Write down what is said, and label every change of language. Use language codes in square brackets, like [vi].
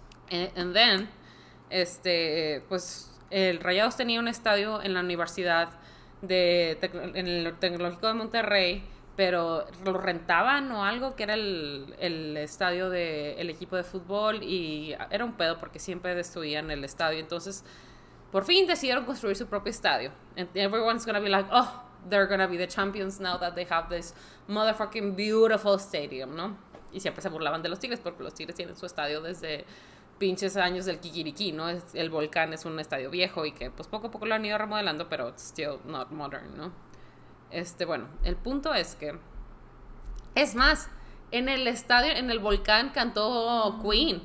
[en] And then, [es] el Rayados tenía un estadio en la Universidad de en el Tecnológico de Monterrey, pero lo rentaban o algo, que era el estadio del equipo de fútbol, y era un pedo porque siempre destruían el estadio. Entonces, por fin decidieron construir su propio estadio. [en] And everyone's gonna be like, oh, they're gonna be the champions now that they have this motherfucking beautiful stadium, ¿no? [es] Y siempre se burlaban de los Tigres porque los Tigres tienen su estadio desde pinches años del Kikiriki, ¿no? El volcán es un estadio viejo y que pues poco a poco lo han ido remodelando, pero [en] it's still not modern, [es] ¿no? Bueno, el punto es que, es más, en el estadio, en el volcán, cantó Queen.